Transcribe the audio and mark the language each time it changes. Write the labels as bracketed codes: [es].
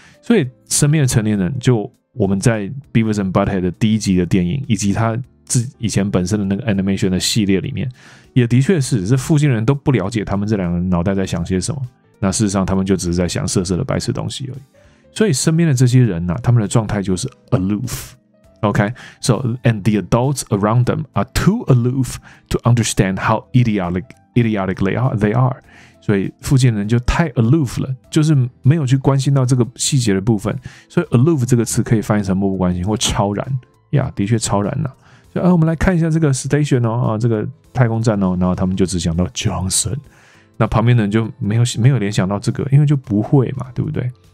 [zh] 所以身边的成年人，就我们在 Beavis and Butthead 的第一集的电影以及他自以前本身的那个 animation 的系列里面，也的确是这附近人都不了解他们这两个脑袋在想些什么。那事实上他们就只是在想色色的白痴东西而已。所以身边的这些人啊，他们的状态就是 aloof。 [en] Okay, so and the adults around them are too aloof to understand how idiotic they are. [zh] 所以附近人就太 aloof 了，就是没有去关心到这个细节的部分。所以 aloof 这个词可以翻译成漠不关心或超然。呀，的确超然呐。就啊，我们来看一下这个 station 哦，啊，这个太空站哦，然后他们就只想到 Johnson。那旁边的人就没有联想到这个，因为就不会嘛，对不对？